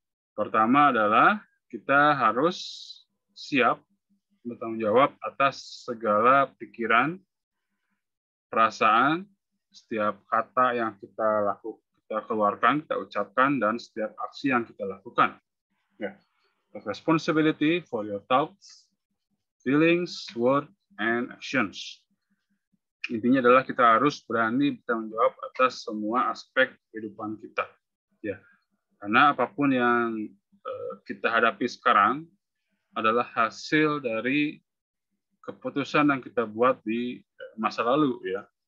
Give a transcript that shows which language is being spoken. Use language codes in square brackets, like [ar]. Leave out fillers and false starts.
[id] Pertama adalah kita harus siap bertanggung jawab atas segala pikiran, perasaan, setiap kata yang kita lakukan, kita keluarkan, kita ucapkan, dan setiap aksi yang kita lakukan. [en] Yeah. Responsibility for your thoughts, feelings, words, and actions. [id] Intinya adalah kita harus berani bertanggung jawab atas semua aspek kehidupan kita. Yeah. Karena apapun yang kita hadapi sekarang adalah hasil dari keputusan yang kita buat di masa lalu ya.